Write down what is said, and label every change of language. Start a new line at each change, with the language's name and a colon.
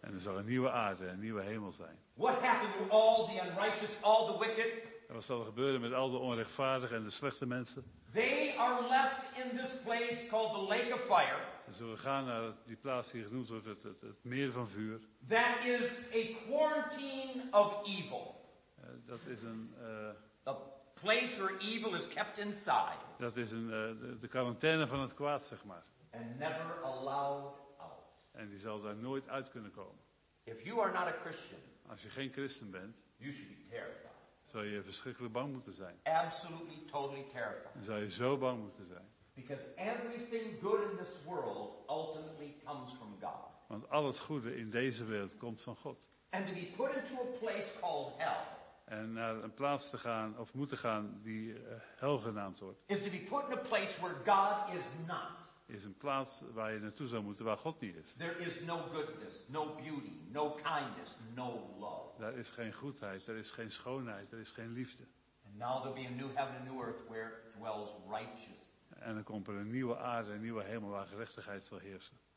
Dutch: En er zal een nieuwe aarde, een nieuwe hemel zijn.
English: What happened to all the unrighteous, all the wicked?
Dutch: En wat zal er gebeuren met al de onrechtvaardigen en de slechte mensen?
English: They are left in this place called the lake of fire.
Dutch: Ze zullen gaan naar die plaats die genoemd wordt het meer van vuur.
English: That is a quarantine of evil.
Dutch: Dat is een
English: The place where evil is kept inside.
Dutch: Dat is de quarantaine van het kwaad, zeg maar.
English: And never allowed out.
Dutch: En die zal daar nooit uit kunnen komen.
English: If you are not a Christian,
Dutch: als je geen christen bent,
English: you should be terrified.
Dutch: Zou je verschrikkelijk bang moeten zijn.
English: Absolutely, totally terrified.
Dutch: En zou je zo bang moeten zijn.
English: Because everything good in this world ultimately comes from God.
Dutch: Want al het goede in deze wereld komt van God.
English: And to be put into a place called hell.
Dutch: En naar een plaats te gaan of moeten gaan die hel genaamd wordt.
English: Is to be put in a place where God is not.
Dutch: Is een plaats waar je naartoe zou moeten waar God niet is.
English: There is no goodness, no beauty, no kindness, no love.
Dutch: Daar is geen goedheid, daar is geen schoonheid, daar is geen liefde.
English: And now there'll be a new heaven and new earth where dwells righteousness.
Dutch: En dan komt er een nieuwe aarde, een nieuwe hemel waar gerechtigheid zal heersen.